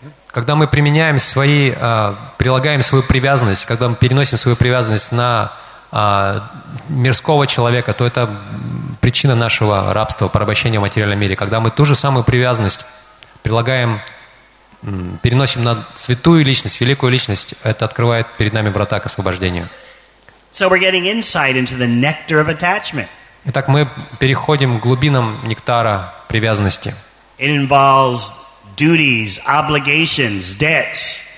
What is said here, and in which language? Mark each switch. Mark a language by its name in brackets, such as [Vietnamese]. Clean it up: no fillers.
[Russian] Когда мы применяем свои, прилагаем свою привязанность, когда мы переносим свою привязанность на мирского человека, то это причина нашего рабства, порабощения в материальном мире. Когда мы ту же самую привязанность прилагаем, переносим на святую личность, великую личность, это открывает перед нами врата к освобождению. [English] So we're getting insight into the nectar of attachment. [Russian] Итак, мы переходим к глубинам нектара привязанности. [English] It involves duties, obligations, debts.